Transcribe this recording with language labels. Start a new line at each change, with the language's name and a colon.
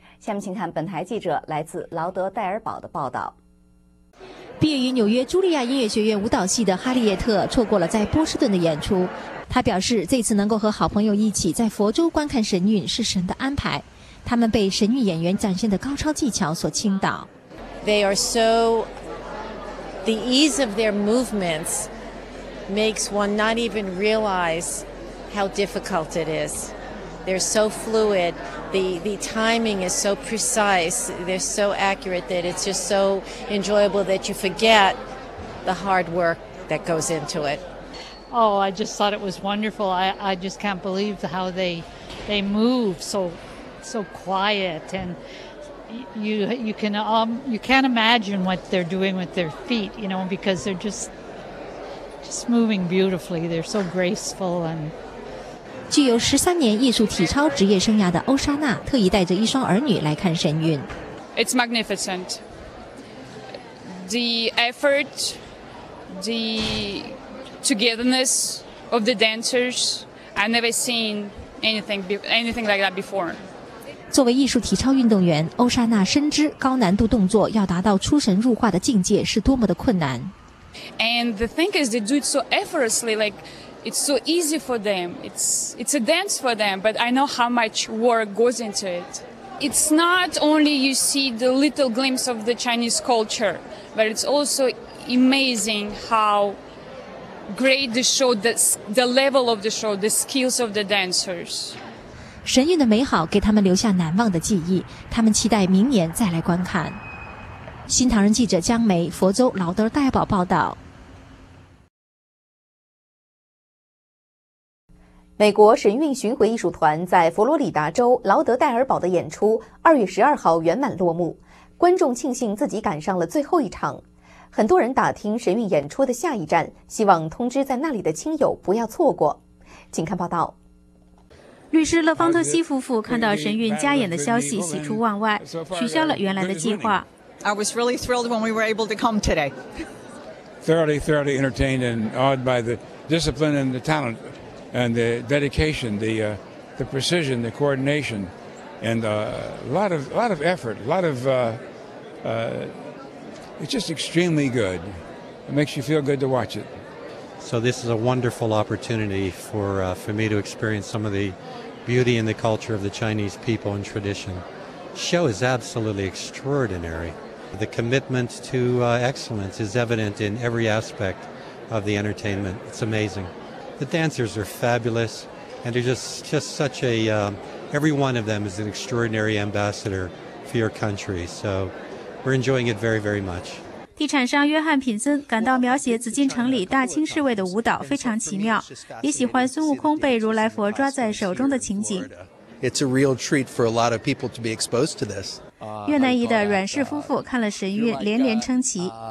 Chinese: 下面请看本台记者来自劳德戴尔堡的报道。毕业于纽约茱莉亚音乐学院舞蹈系的哈利叶特错过了在波士顿的演出，他表示这次能够和好朋友一起在佛州观看神韵是神的安排。他们被神韵演员展现的高超技巧所倾倒。
English: They are so, the ease of their movements makes one not even realize how difficult it is. They're so fluid. The timing is so precise. They're so accurate that it's just so enjoyable that you forget the hard work that goes into it. Oh, I just thought it was wonderful. I just can't believe how they move so quiet, and you can't imagine what they're doing with their feet, you know, because they're just moving beautifully. They're so graceful. And
Chinese: 具有13年艺术体操职业生涯的欧莎娜特意带着一双儿女来看神韵。
English: It's magnificent. The effort, the togetherness of the dancers, I never seen anything like that before.
Chinese: 作为艺术体操运动员，欧莎娜深知高难度动作要达到出神入化的境界是多么的困难。
English: And the thing is, they do it so effortlessly, like it's so easy for them. It's a dance for them, but I know how much work goes into it. It's not only you see the little glimpse of the Chinese culture, but it's also amazing how great the show, the level of the show, the skills of the dancers.
Chinese: 神韵的美好给他们留下难忘的记忆，他们期待明年再来观看。新唐人记者江梅，佛州劳德戴尔堡报道。美国神韵巡回艺术团在佛罗里达州劳德戴尔堡的演出2月12号圆满落幕，观众庆幸自己赶上了最后一场。很多人打听神韵演出的下一站，希望通知在那里的亲友不要错过。请看报道。律师勒方特西夫妇看到神韵加演的消息喜出望外，取消了原来的计划。
English: I was really thrilled when we were able to come today. Thoroughly entertained and awed by the discipline and the talent and the dedication, the precision, the coordination, and a lot of effort, it's just extremely good. It makes you feel good to watch it. So this is a wonderful opportunity for me to experience some of the beauty and the culture of the Chinese people and tradition. Show is absolutely extraordinary. The commitment to excellence is evident in every aspect of the entertainment. It's amazing. The dancers are fabulous, and they're just such a, every one of them is an extraordinary ambassador for your country. So we're enjoying it very, very much.
Chinese: 地产商约翰·品森感到描写紫禁城里大清侍卫的舞蹈非常奇妙，也喜欢孙悟空被如来佛抓在手中的情景。
English: It's a real treat for a lot of people to be exposed to this.
Chinese: 越南裔的阮氏夫妇看了神韵，连连称奇。